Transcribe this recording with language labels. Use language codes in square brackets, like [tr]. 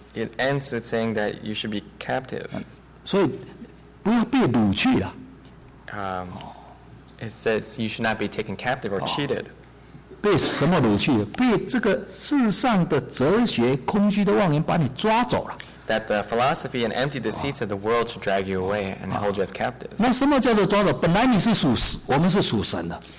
[en] it ends with saying that you should be captive. [zh] 所以不要被掳去了。 [en] It says you should not be taken captive or cheated. [zh] 被什么掳去？被这个世上的哲学、空虚的妄言把你抓走了。 [en] That the philosophy and empty deceits of the world should drag you away and hold you as captives. [zh] 那什么叫做抓走？本来你是属，我们是属神的。